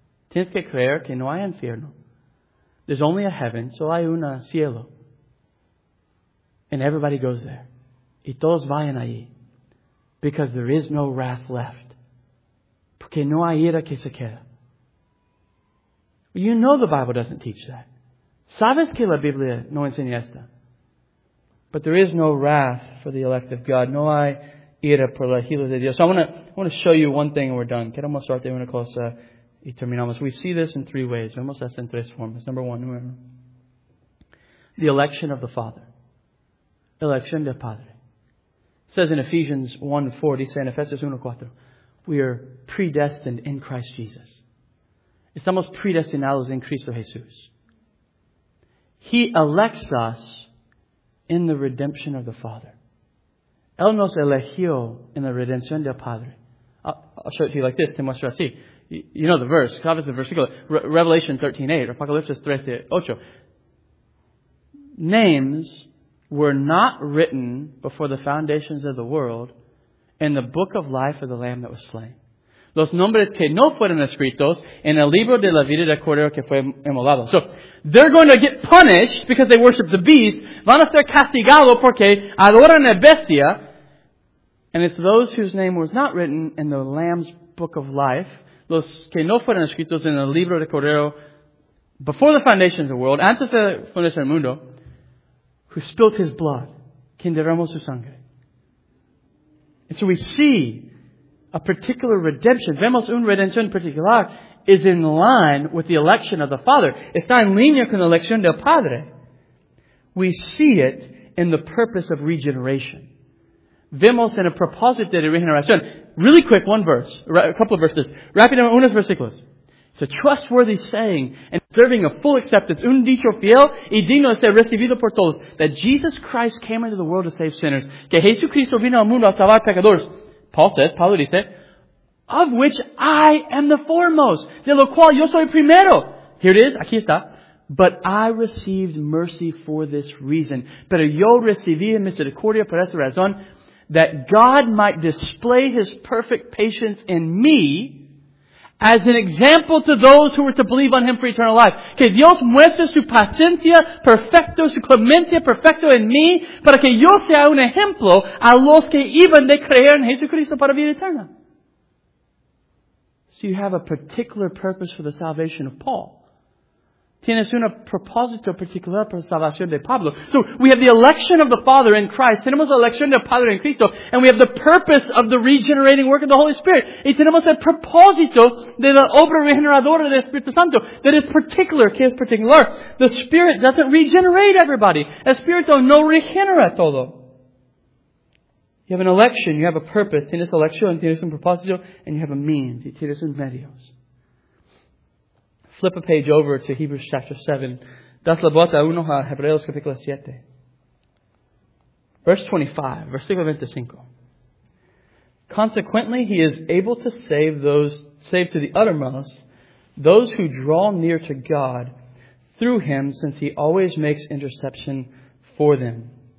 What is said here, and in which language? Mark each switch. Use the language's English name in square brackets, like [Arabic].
[Spanish] Tienes que creer que no hay infierno. [English] There's only a heaven. [Spanish] Solo hay un cielo. [English] And everybody goes there. [Spanish] Y todos vayan allí. [English] Because there is no wrath left. [Spanish] Porque no hay ira que se queda. [English] You know the Bible doesn't teach that. [Spanish] Sabes que la Biblia no enseña esta. [English] But there is no wrath for the elect of God. [Spanish] No hay ira por la gila de Dios. [English] So I want to show you one thing and we're done. [Spanish] Quiero mostrarte una cosa y terminamos. [English] We see this in three ways. [Spanish] Vemos esto en tres formas. [English] Number one, remember. The election of the Father. Election [Spanish] del Padre. [English] It says in Ephesians 1:4, [Spanish] dice en Efesios [English] 1:4, we are predestined in Christ Jesus. [Spanish] Estamos predestinados en Cristo Jesús. [English] He elects us in the redemption of the Father. [Spanish] Él nos eligió en la redención del Padre. I'll show it to you like this, te muestro así. You know the verse, obviously the versículo, Revelation 13:8, Apocalipsis 13:8. [English] Names were not written before the foundations of the world in the book of life of the Lamb that was slain. [Spanish] Los nombres que no fueron escritos en el libro de la vida del Cordero que fue inmolado. [English] So, they're going to get punished because they worship the beast. [Spanish] Van a ser castigados porque adoran a bestia. [English] And it's those whose name was not written in the Lamb's book of life. [Spanish] Los que no fueron escritos en el libro del Cordero [English] before the foundation of the world, [Spanish] antes de fundación del mundo, [English] who spilt his blood, [Spanish] quien derramó su sangre. [English] And so we see a particular redemption. [Spanish] Vemos una redención particular [English] is in line with the election of the Father. [Spanish] Está en línea con la elección del Padre. [English] We see it in the purpose of regeneration. [Spanish] Vemos en el propósito de regeneración. [English] Really quick, one verse. A couple of verses. [Spanish] Rápido, unos versículos. [English] It's a trustworthy saying and deserving of full acceptance. [Spanish] Un dicho fiel y digno de ser recibido por todos. [English] That Jesus Christ came into the world to save sinners. [Spanish] Que Jesucristo vino al mundo a salvar pecadores. Pablo dice, [English] of which I am the foremost, [Spanish] de lo cual yo soy primero. [English] Here it is, [Spanish] aquí está. [English] But I received mercy for this reason. [Spanish] Pero yo recibí misericordia por esta razón, [English] that God might display his perfect patience in me as an example to those who were to believe on him for eternal life. [Spanish] Que Dios muestre su paciencia perfecto, su clemencia perfecto en mí, para que yo sea un ejemplo a los que iban de creer en Jesucristo para vida eterna. [English] So you have a particular purpose for the salvation of Paul. [Spanish] Tienes un propósito particular para la salvación de Pablo. [English] So we have the election of the Father in Christ. [Spanish] Tenemos la elección del Padre en Cristo. [English] And we have the purpose of the regenerating work of the Holy Spirit. [Spanish] Y tenemos el propósito de la obra regeneradora del Espíritu Santo. [English] That is particular. [Spanish] ¿Qué es particular? [English] The Spirit doesn't regenerate everybody. [Spanish] El Espíritu no regenera todo. [English] You have an election. You have a purpose. [Spanish] Tienes elección. Tienes un propósito. [English] And you have a means. [Spanish] Y tienes un medios. [English] Flip a page over to Hebrews chapter 7. [Spanish] Das la vuelta uno a Hebreos capítulo 7. [English] Verse 25, versículo 25. Consequently, he is able to save to the uttermost those who draw near to God through him, since he always makes interception for them.